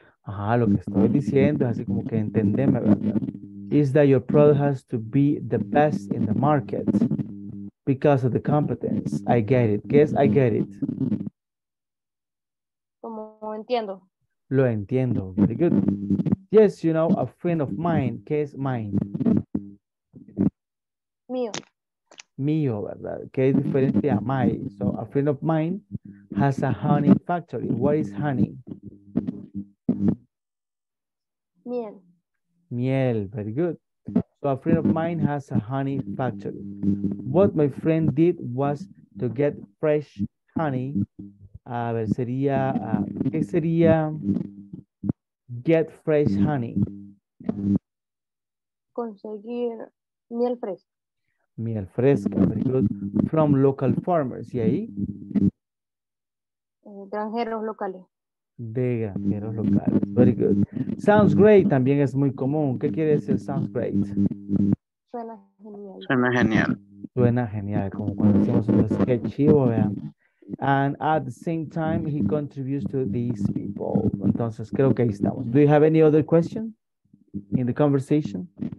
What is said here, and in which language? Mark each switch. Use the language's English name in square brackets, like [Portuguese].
[Spanish] Ajá, lo que estoy diciendo es así como que entendeme, ¿verdad? [English] Is that your product has to be the best in the market because of the competence. I get it. Guess I get it. [Spanish] Como entiendo. Lo entiendo. [English] Very good. Yes, you know, a friend of mine. [Spanish] ¿Qué es mine? Mío. Mío, ¿verdad? ¿Qué es diferente a my? [English] So, a friend of mine has a honey factory. What is honey? [Spanish] Miel. Miel. [English] Very good. So, a friend of mine has a honey factory. What my friend did was to get fresh honey. [Spanish] A ver, sería, ¿qué sería get fresh honey? Conseguir miel fresca. Miel fresca, [English] very good. From local farmers, [Spanish] ¿y ahí? Granjeros locales. De granjeros locales, [English] very good. Sounds great, [Spanish] también es muy común. ¿Qué quiere decir sounds great? Suena genial. Suena genial. Suena genial, como cuando decimos un sketch chivo, vean. [English] And at the same time, he contributes to these people. [Spanish] Entonces, creo que ahí estamos. [English] Do you have any other question in the conversation?